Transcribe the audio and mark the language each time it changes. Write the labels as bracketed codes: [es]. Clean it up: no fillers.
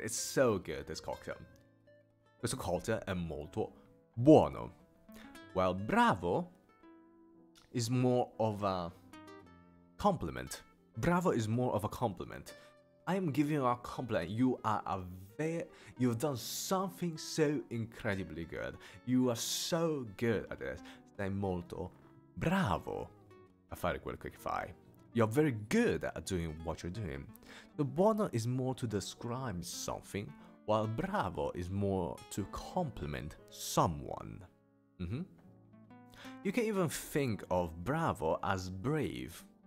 [en] It's so good, this cocktail. [it] Questo cocktail è molto buono. [en] Well, bravo is more of a compliment. Bravo is more of a compliment. I am giving you a compliment. You are a very, you've done something so incredibly good. You are so good at this. [it] Sei molto bravo a fare quel che fai. [en] You're very good at doing what you're doing. The buono is more to describe something, while bravo is more to compliment someone. Mm-hmm. You can even think of bravo as brave.